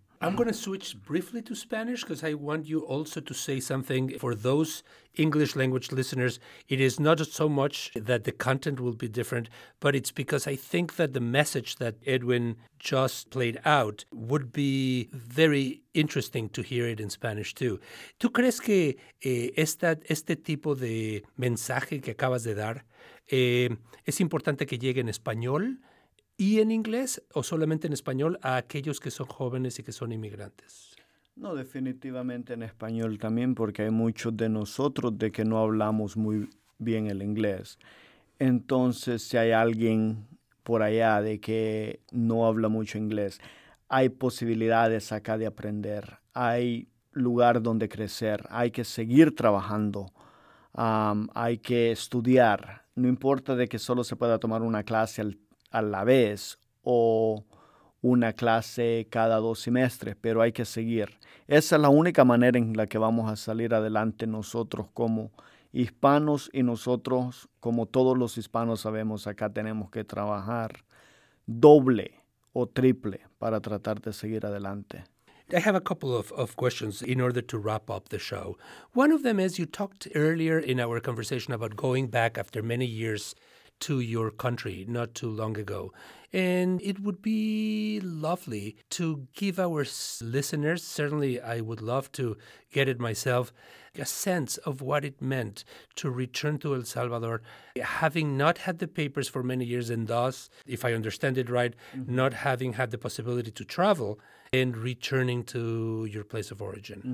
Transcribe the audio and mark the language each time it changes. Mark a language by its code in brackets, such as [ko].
[en] I'm going to switch briefly to Spanish because I want you also to say something for those English language listeners. It is not so much that the content will be different, but it's because I think that the message that Edwin just played out would be very interesting to hear it in Spanish too. [es] ¿Tú crees que este tipo de mensaje que acabas de dar es importante que llegue en español? ¿Y en inglés o solamente en español a aquellos que son jóvenes y que son inmigrantes? No, definitivamente en español también, porque hay muchos de nosotros de que no hablamos muy bien el inglés. Entonces, si hay alguien por allá de que no habla mucho inglés, hay posibilidades acá de aprender, hay lugar donde crecer, hay que seguir trabajando, hay que estudiar. No importa de que solo se pueda tomar una clase a la vez o una clase cada dos semestres, pero hay que seguir. Esa es la única manera en la que vamos a salir adelante nosotros como hispanos y nosotros, como todos los hispanos sabemos, acá tenemos que trabajar doble o triple para tratar de seguir adelante. [en] I have a couple of questions in order to wrap up the show. One of them is you talked earlier in our conversation about going back after many years to your country not too long ago. And it would be lovely to give our listeners, certainly I would love to get it myself, a sense of what it meant to return to El Salvador, having not had the papers for many years and thus, if I understand it right, not having had the possibility to travel and returning to your place of origin.